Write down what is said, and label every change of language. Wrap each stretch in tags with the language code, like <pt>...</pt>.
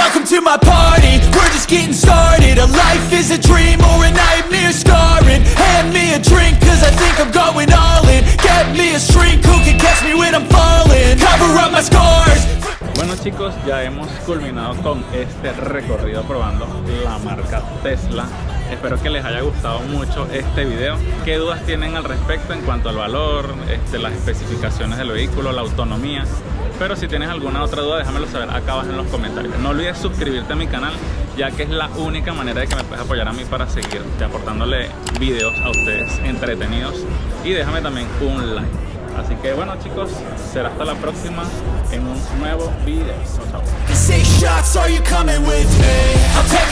<en>To my party, we're just getting started. A life is a dream or a nightmare scarring. Hand me a drink, cause I think I'm going all in. Get me a shrink, who can catch me when I'm falling? Cover up my scars.</en> <es>Bueno, chicos, ya hemos culminado con este recorrido probando la marca Tesla. Espero que les haya gustado mucho este video. ¿Qué dudas tienen al respecto en cuanto al valor, las especificaciones del vehículo, la autonomía? Pero si tienes alguna otra duda, déjamelo saber acá abajo en los comentarios. No olvides suscribirte a mi canal, ya que es la única manera de que me puedes apoyar a mí para seguir aportándole videos a ustedes entretenidos. Y déjame también un like. Así que bueno, chicos, será hasta la próxima en un nuevo video. Chao, chao.</es> <en>Six shots, are you coming with me? I'm</en>